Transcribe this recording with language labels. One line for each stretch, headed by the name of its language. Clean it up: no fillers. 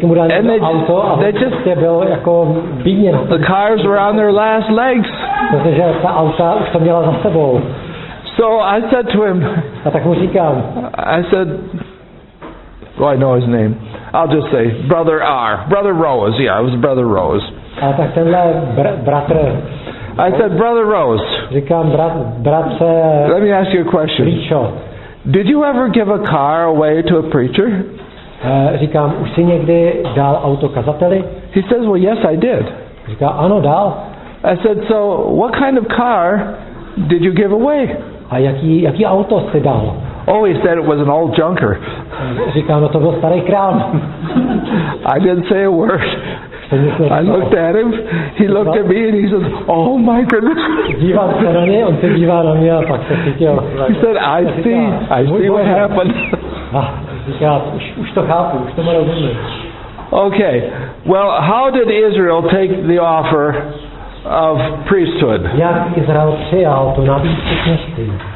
English: And they just
Czech: byl jako bídně.
English: The cars were on their last legs.
Czech: Protože ta auta už to měla za sebou.
English: So I said to him,
Czech: a tak mu říkám,
English: I said, well, I know his name. I'll just say, Brother R. Brother Rose. Yeah, it was Brother Rose.
Czech: A tak tenhle bratr.
English: I said, Brother Rose,
Czech: říkám, bratře,
English: let me ask you a question. Pričo, did you ever give a car away to a preacher?
Czech: Říkám, už jsi někdy dal auto kazateli?
English: He says, well, yes, I did.
Czech: Říká, ano, dal.
English: I said, so what kind of car did you give away?
Czech: A jaký auto jsi dal?
English: Oh, he said it was an old junker.
Czech: Říkám, no to byl starý krám.
English: I didn't say a word. I looked at him, he looked at me and he says, oh my goodness.
Czech: Díval se na mě, on se dívá na mě a pak se chytil.
English: He said, I see what happened.
Czech: Říká, už to chápu, už to má rozumět.
English: Okay, well, how did Israel take the offer of priesthood?
Czech: Jak Izrael přijal to nabídku kněžství?